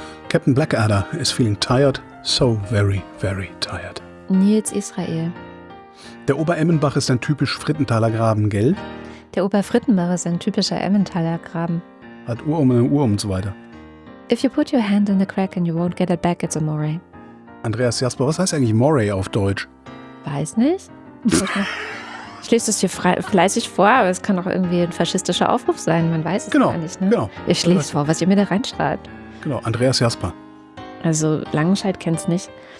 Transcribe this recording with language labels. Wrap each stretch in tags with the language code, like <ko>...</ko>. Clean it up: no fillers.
<en>Captain Blackadder is feeling tired. So very, very tired.</en> <de>Nils Israel. Der Oberemmenbach ist ein typisch Frittenthaler Graben, gell? Der Oberfrittenbach ist ein typischer Emmentaler Graben. Hat Urum und Urum und so weiter.</de> <en>If you put your hand in the crack and you won't get it back, it's a moray.</en> <de>Andreas Jasper, was heißt eigentlich moray auf Deutsch? Weiß nicht. Ich lese es hier fleißig vor, aber es kann auch irgendwie ein faschistischer Aufruf sein. Man weiß es genau, gar nicht. Ne? Genau. Ich lese es vor, was ihr mir da reinschreibt. Genau, Andreas Jasper. Also Langenscheid kennt's nicht.</de>